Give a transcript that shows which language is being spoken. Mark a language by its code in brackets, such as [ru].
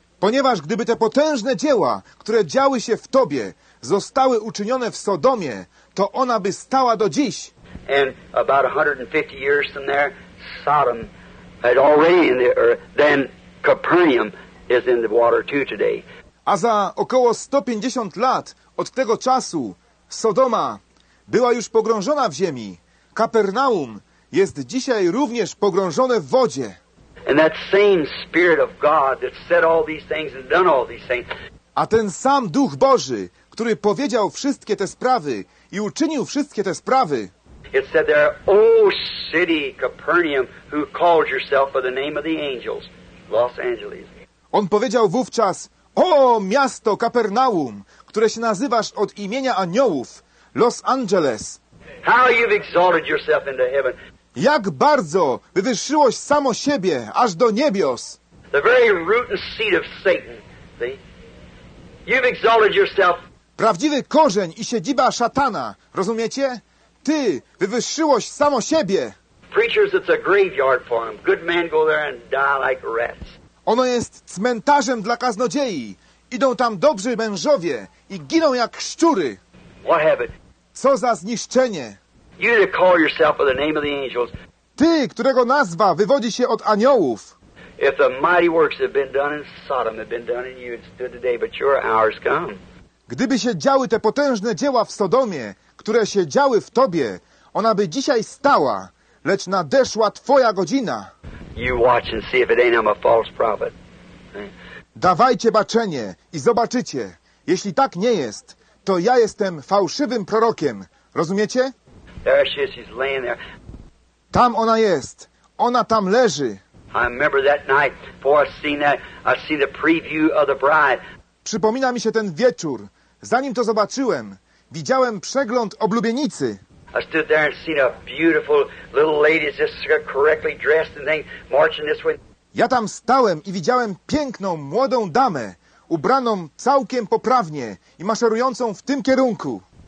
[pl] Ponieważ gdyby te potężne dzieła, które działy się w tobie, zostały uczynione w Sodomie, to ona by stała do dziś. [en] And about 150 years from there, Sodom had already in the earth, then Capernaum is in the water too today. [pl] A za około 150 lat od tego czasu Sodoma była już pogrążona w ziemi. Kapernaum jest dzisiaj również pogrążone w wodzie. [en] And that same Spirit of God that said all these things and done all these things. [pl] A ten sam Duch Boży, który powiedział wszystkie te sprawy i uczynił wszystkie te sprawy. [en] It said there, O city Capernaum, who called yourself by the name of the angels, Los Angeles. [pl] On powiedział wówczas, O miasto Kapernaum, które się nazywasz od imienia aniołów, Los Angeles. [en] How you've exalted yourself into heaven. [pl] Jak bardzo wywyższyłoś samo siebie aż do niebios. [en] The very root and seed of Satan, see? You've exalted yourself. [pl] Prawdziwy korzeń i siedziba szatana, rozumiecie? Ty wywyższyłoś samo siebie. [en] Preachers, it's a graveyard for them. Good men go there and die like rats. [pl] Ono jest cmentarzem dla kaznodziei. Idą tam dobrzy mężowie i giną jak szczury. [en] What happened? [pl] Co za zniszczenie. [en] You need to call yourself by the name of the angels. [pl] Ty, którego nazwa wywodzi się od aniołów. [en] If the mighty works have been done in Sodom, have been done in you, it stood today, but your hour's come. [pl] Gdyby się działy te potężne dzieła w Sodomie, które się działy w tobie, ona by dzisiaj stała, lecz nadeszła twoja godzina. [en] You watch and see if it ain't I'm a false prophet. [pl] Dawajcie baczenie i zobaczycie. Jeśli tak nie jest, to ja jestem fałszywym prorokiem. Rozumiecie? [en] There she is. She's laying there. [pl] Tam ona jest. Ona tam leży. [en] I remember that night before I seen the preview of the bride. [pl] Przypomina mi się ten wieczór. Zanim to zobaczyłem, widziałem przegląd oblubienicy. [en] I stood there and seen a beautiful little lady just correctly dressed and then marching this way. [pl] Ja tam stałem i widziałem piękną, młodą damę, ubraną całkiem poprawnie i maszerującą w tym kierunku.